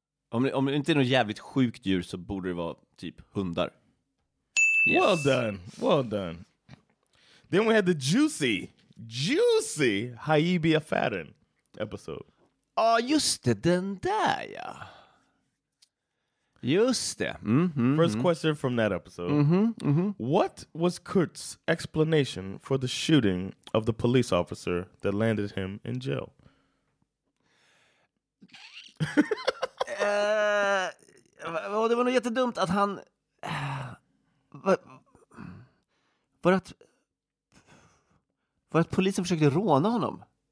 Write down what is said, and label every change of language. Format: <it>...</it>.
<sv>Om det inte är något jävligt sjukt djur så borde det vara typ hundar.</sv> <en>Yes. Well done, well done. Then we had the juicy Haibia Fadden episode.</en> <sv>Åh, just det, den där, ja. Just det. Mm-hmm,</sv> <en>first question from that episode. Mm-hmm, mm-hmm. What was Kurt's explanation for the shooting of the police officer that landed him in jail?</en> <sv>Det var nog jättedumt att han... Var att polisen försökte råna honom?</sv>